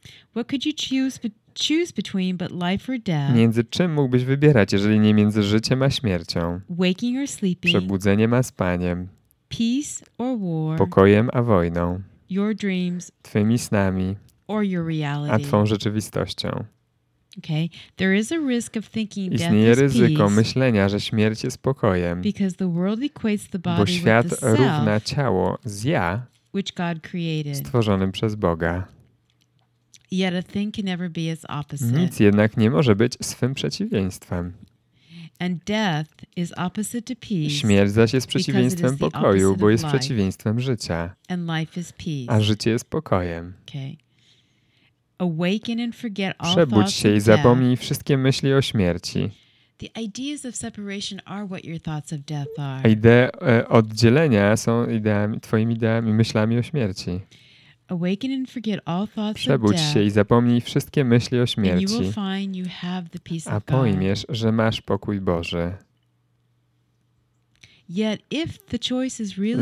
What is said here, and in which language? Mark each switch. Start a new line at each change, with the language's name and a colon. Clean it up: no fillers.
English: What could you choose between but life or death.
Polish: Między czym mógłbyś wybierać, jeżeli nie między życiem a śmiercią?
English: Waking or sleeping.
Polish: Przebudzeniem a spaniem.
English: Peace or war.
Polish: Pokojem a wojną.
English: Your dreams.
Polish: Twymi snami.
English: Or your reality.
Polish: A twą rzeczywistością.
English: Okay. There is a risk of thinking death is peace.
Polish: Istnieje ryzyko myślenia, że śmierć jest spokojem.
English: Because the world equates the body with the self.
Polish: Bo świat równa ciało z ja,
English: which God created.
Polish: Stworzonym przez Boga.
English: Yet a thing can never be its opposite.
Polish: Nic jednak nie może być swym przeciwieństwem.
English: And death is opposite to peace.
Polish: Śmierć zaś jest przeciwieństwem pokoju, bo jest przeciwieństwem życia.
English: And life is peace.
Polish: A życie jest pokojem.
English: Okay. Awaken and forget all
Polish: przebudź się i zapomnij wszystkie myśli o śmierci.
English: The ideas of separation are what your thoughts of death are.
Polish: Idee oddzielenia są twoimi ideami, myślami o śmierci.
English: Awaken and forget all thoughts of death.
Polish: Przebudź się i zapomnij wszystkie myśli o śmierci. A pojmiesz, że masz pokój Boży.
English: Yet if the choice is really